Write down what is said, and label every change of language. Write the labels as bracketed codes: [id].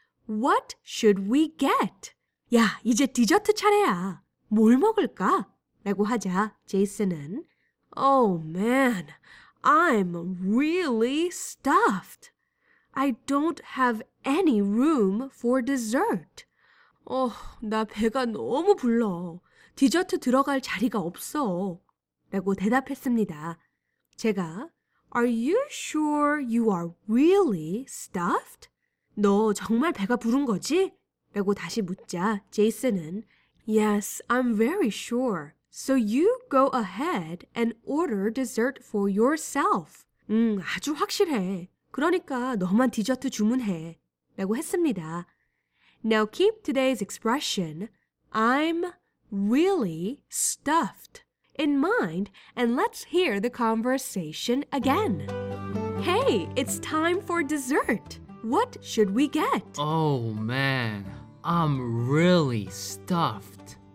[en] What should we get? [ko] 야, 이제 디저트 차례야. 뭘 먹을까? 라고 하자 제이슨은 [en] Oh man, I'm really stuffed. I don't have any room for dessert. [ko] 나 배가 너무 불러. 디저트 들어갈 자리가 없어. 라고 대답했습니다. 제가 [en] Are you sure you are really stuffed? [ko] 너 정말 배가 부른 거지? 라고 다시 묻자 제이슨은 [en] Yes, I'm very sure. So you go ahead and order dessert for yourself. [ko] 아주 확실해. 그러니까 너만 디저트 주문해. 라고 했습니다. [en] Now keep today's expression, I'm really stuffed, in mind, and let's hear the conversation again. Hey, it's time for dessert. What should we get? Oh man, I'm really stuffed.